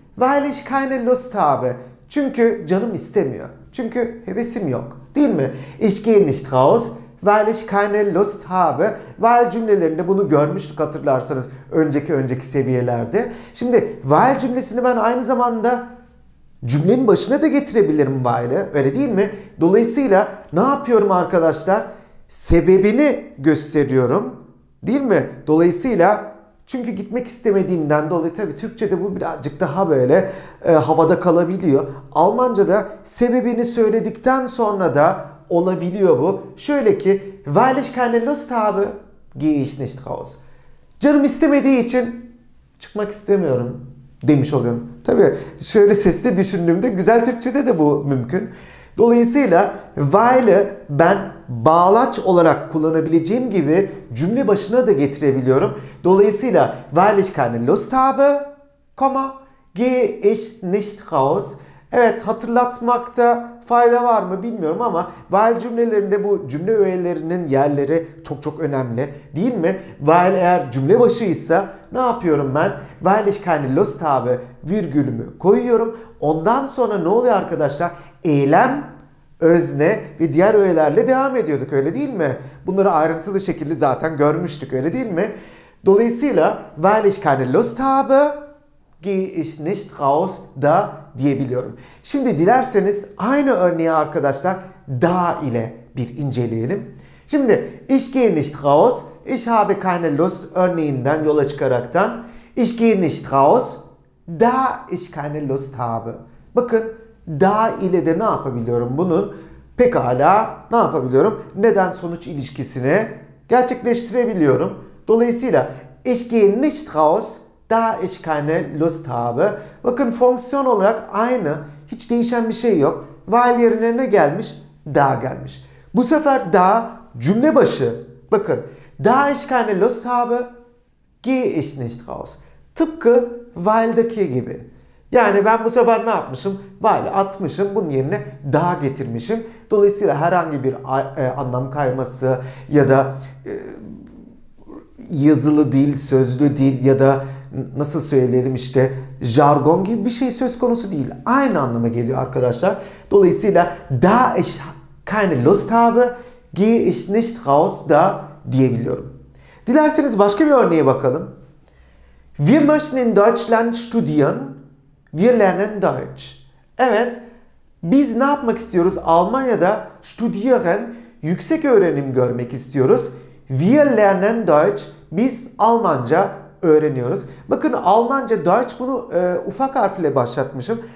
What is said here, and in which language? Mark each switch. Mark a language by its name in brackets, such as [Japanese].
[German] Weil ich keine Lust habe. [Turkish] Çünkü canım istemiyor. Çünkü hevesim yok. Değil mi? [German] Ich gehe nicht raus, weil ich keine Lust habe. [Turkish] Weil cümlelerinde bunu görmüştük hatırlarsanız önceki seviyelerde. Şimdi weil cümlesini ben aynı zamanda cümlenin başına da getirebilirim weil'i. Öyle değil mi? Dolayısıyla ne yapıyorum arkadaşlar? Sebebini gösteriyorum. Değil mi? Dolayısıyla çünkü gitmek istemediğimden dolayı, tabii Türkçe'de bu birazcık daha böyle havada kalabiliyor. Almanca'da sebebini söyledikten sonra da olabiliyor bu. Şöyle ki, [German] weil ich keine Lust habe, gehe ich nicht raus. [Turkish] Canım istemediği için çıkmak istemiyorum demiş oluyorum. Tabii şöyle sesli düşündüğümde güzel Türkçe'de de bu mümkün. Dolayısıyla weil'i ben bağlaç olarak kullanabileceğim gibi cümle başına da getirebiliyorum. [German] Dolayısıyla weil ich keine Lust habe, comma, gehe ich nicht raus. [Turkish] Evet, hatırlatmakta fayda var mı bilmiyorum ama weil cümlelerinde bu cümle öğelerinin yerleri çok çok önemli, değil mi? Weil eğer cümle başıysa ne yapıyorum ben? [German] Weil ich keine Lust habe [Turkish] virgülümü koyuyorum. Ondan sonra ne oluyor arkadaşlar? Eylem, özne ve diğer öğelerle devam ediyorduk, öyle değil mi? Bunları ayrıntılı şekilde zaten görmüştük, öyle değil mi? Dolayısıyla [German] weil ich keine Lust habe, gehe ich nicht raus [Turkish] da diyebiliyorum. Şimdi dilerseniz aynı örneği arkadaşlar da ile bir inceleyelim. [German] Şimdi ich gehe nicht raus, ich habe keine Lust [Turkish] örneğinden yola çıkaraktan [German] ich gehe nicht raus, da ich keine Lust habe. [Turkish] Bakın da ile de ne yapabiliyorum bunun? Pekala ne yapabiliyorum? Neden sonuç ilişkisini gerçekleştirebiliyorum. [German] Dolayısıyla ich gehe nicht raus, da ich keine Lust habe. [Turkish] Bakın fonksiyon olarak aynı. Hiç değişen bir şey yok. Weil yerine ne gelmiş? Da gelmiş. Bu sefer da cümle başı. Bakın. [German] Da ich keine Lust habe, gehe ich nicht raus. [Turkish] Tıpkı weil'daki gibi. Yani ben bu sefer ne yapmışım? Weil atmışım. Bunun yerine da getirmişim. Dolayısıyla herhangi bir anlam kayması ya da yazılı dil, sözlü dil ya da nasıl söyleyelim işte jargon gibi bir şey söz konusu değil. Aynı anlama geliyor arkadaşlar. Dolayısıyla [German] da ich keine Lust habe, gehe ich nicht raus da diyebiliyorum. [Turkish] Dilerseniz başka bir örneğe bakalım. [German] Wir möchten in Deutschland studieren. Wir lernen Deutsch. [Turkish] Evet, biz ne yapmak istiyoruz? Almanya'da studieren, yüksek öğrenim görmek istiyoruz. [German] Wir lernen Deutsch. [Turkish] Biz Almanca öğreniyoruz. Bakın Almanca, Deutsch bunu ufak harfle başlatmışım.